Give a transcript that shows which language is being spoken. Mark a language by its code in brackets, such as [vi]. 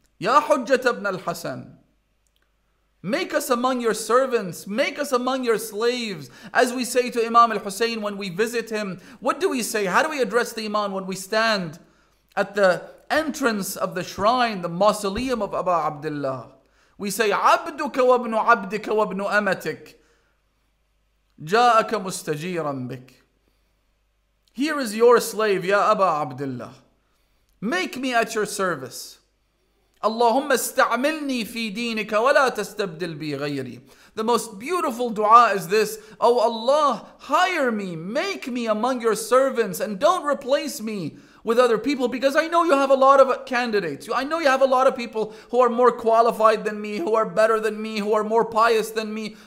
[en] Ya Hujjat ibn al-Hasan, make us among your servants. Make us among your slaves. As we say to Imam al-Hussein when we visit him, what do we say? How do we address the Imam when we stand at the entrance of the shrine, the mausoleum of Aba Abdullah? We say, [ar] عبدك وابن عبدك وابن أمتك جاءك مستجيرا بك. [en] Here is your slave, Ya Aba Abdullah. Make me at your service. [ar] اللهم استعملني في دينك ولا تستبدل بي غيري. [en] The most beautiful dua is this, Oh Allah, hire me, make me among your servants and don't replace me with other people, because I know you have a lot of candidates. I know you have a lot of people who are more qualified than me, who are better than me, who are more pious than me.